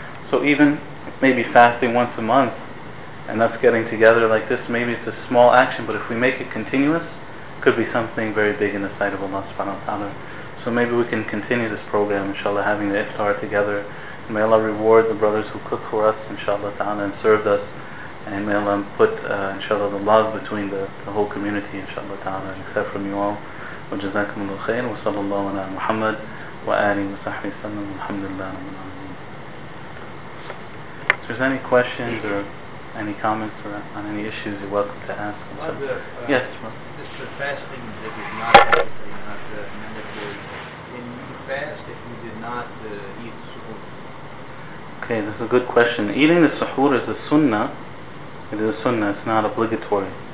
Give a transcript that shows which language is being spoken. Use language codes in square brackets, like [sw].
[en] So even maybe fasting once a month and us getting together like this, maybe it's a small action, but if we make it continuous, it could be something very big in the sight of Allah subhanahu wa ta'ala. So maybe we can continue this program, inshallah, having the iftar together. May Allah reward the brothers who cook for us, inshallah ta'ala, and served us. And may Allah put, inshallah, the love between the whole community, inshallah ta'ala, except from you all. [ar] وجزاكم الله خير وصلى الله على محمد وآله وصحبه وسلم والحمد لله رب العالمين. [en] If there's any questions or any comments or on any issues, you're welcome to ask. Yes, ma'am. It's the fasting that is not healthy, not mandatory. Can you fast if you did not eat suhoor? Okay, this is a good question. Eating the suhoor is a sunnah. It is a sunnah. It's not obligatory.